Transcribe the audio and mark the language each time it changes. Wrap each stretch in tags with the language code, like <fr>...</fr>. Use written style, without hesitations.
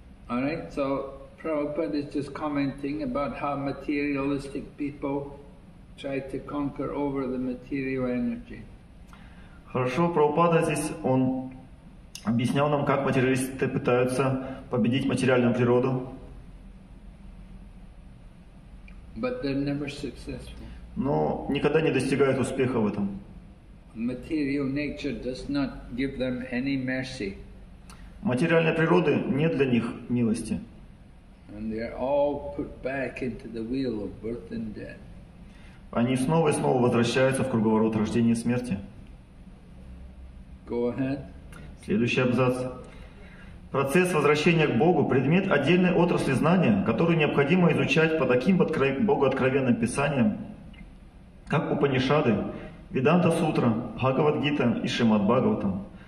<en>All right, so Prabhupada is just commenting about how materialistic people try to conquer over the material energy.</en> <ru>Хорошо, Прабхупада здесь, он объяснял нам, как материалисты пытаются победить материальную природу.</ru> <en>But they're never successful.</en> <ru>Но никогда не достигают успеха в этом.</ru> <en>Material nature does not give them any mercy.</en> <ru>Материальной природы нет для них милости.</ru> <en>And they are all put back into the wheel of birth and death.</en> <ru>Они снова и снова возвращаются в круговорот рождения и смерти.</ru> <en>Go ahead.</en> <ru>Следующий абзац. Процесс возвращения к Богу – предмет отдельной отрасли знания, которую необходимо изучать по таким богооткровенным писаниям, как Упанишады, Веданта Сутра, Бхагавад-гита и Шримад-Бхагаватам.</ru>